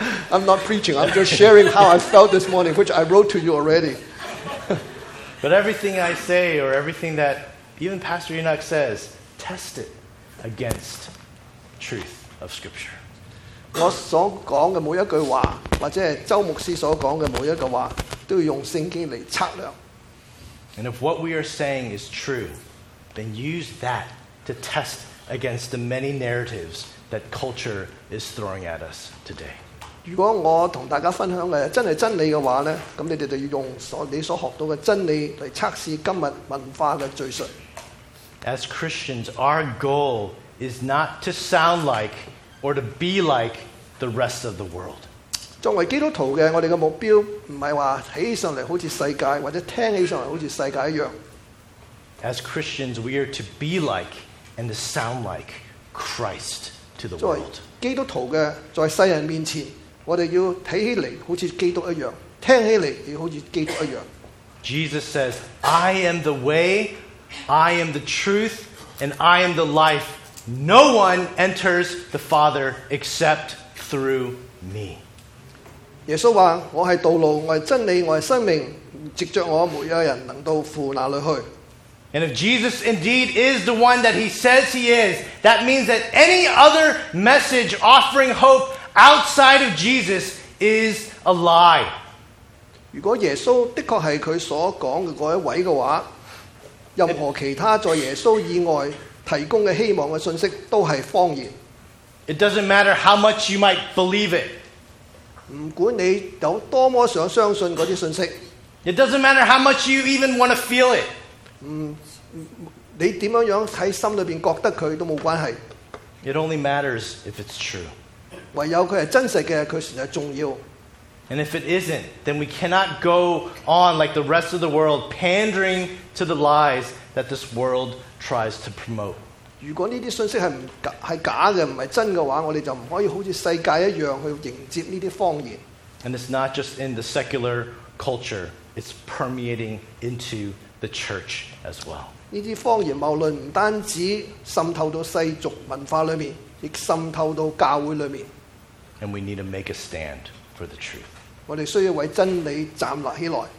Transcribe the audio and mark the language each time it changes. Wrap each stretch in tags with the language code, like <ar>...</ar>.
<en>I'm not preaching. I'm just sharing how I felt this morning, which I wrote to you already. But everything I say, or everything that even Pastor Enoch says, test it against truth of Scripture.</en> <yue>我所講嘅每一句話，或者係周牧師所講嘅每一句話，都要用聖經嚟測量。</yue> <en>And if what we are saying is true, then use that to test against the many narratives that culture is throwing at us today.</en> <yue>如果我同大家分享嘅真係真理嘅話咧，咁你哋就要用你所學到嘅真理嚟測試今日文化嘅敘述。</yue> <en>As Christians, our goal is not to sound like or to be like the rest of the world.</en> <yue>作為基督徒嘅，我哋嘅目標唔係話睇起上嚟好似世界，或者聽起上嚟好似世界一樣。</yue> <en>As Christians, we are to be like and to sound like Christ to the world.</en> <yue>作為基督徒嘅，在世人面前，我哋要睇起嚟好似基督一樣，聽起嚟亦好似基督一樣。</yue> <en>Jesus says, "I am the way, I am the truth, and I am the life." No one enters the Father except through me.</en> <yue>耶稣话：我系道路，我系真理，我系生命。藉着我，没有人能到父那里去。</yue> <en>And if Jesus indeed is the one that he says he is, that means that any other message offering hope outside of Jesus is a lie.</en> <yue>如果耶稣的确系佢所讲嘅嗰一位嘅话，任何其他在耶稣以外。提供嘅希望嘅信息都系谎言。</yue> <en>It doesn't matter how much you might believe it.</en> <yue>唔管你有多么想相信嗰啲信息。</yue> <en>It doesn't matter how much you even want to feel it.</en> <yue>你点样样喺心里边觉得佢都冇关系。</yue> <en>It only matters if it's true.</en> <yue>唯有佢系真实嘅，佢先系重要。</yue> <en>And if it isn't, then we cannot go on like the rest of the world, pandering to the lies that this world tries to promote.</en> <yue>如果呢啲信息系假嘅，唔系真嘅话，我哋就唔可以好似世界一样去迎接呢啲谎言。</yue> <en>And it's not just in the secular culture; it's permeating into the church as well.</en> <yue>呢啲谎言谬论唔单止渗透到世俗文化里面，亦渗透到教会里面。</yue> <en>And we need to make a stand. For the truth.</en> <yue>我们需要为真理站立起来。</yue>